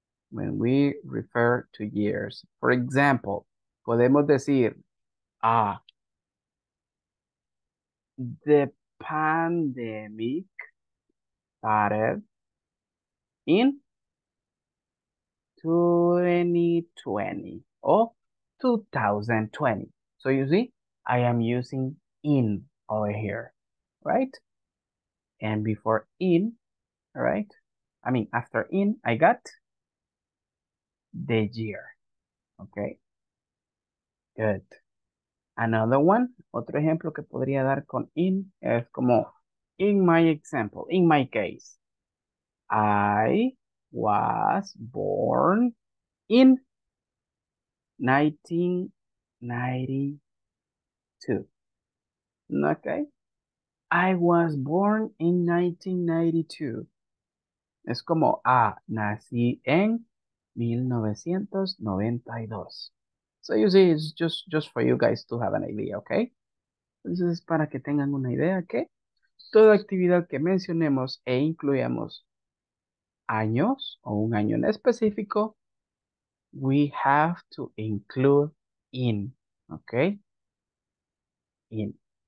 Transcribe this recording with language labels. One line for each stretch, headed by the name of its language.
English: When we refer to years. For example,
Spanish: podemos decir,
English: the pandemic started in 2020 or 2020. So you see, I am using in over here, right? And before in, all right? I mean, after in, I got the year, okay? Good. Another one,
Spanish: otro ejemplo que podría dar con in es como
English: in my example, in my case. I was born in 1992. Okay. I was born in 1992.
Spanish: Es como, nací en 1992.
English: So you see, it's just for you guys to have an idea, okay?
Spanish: Entonces es para que tengan una idea que toda actividad que mencionemos e incluyamos años o un año en específico,
English: we have to include in,
Spanish: okay? In.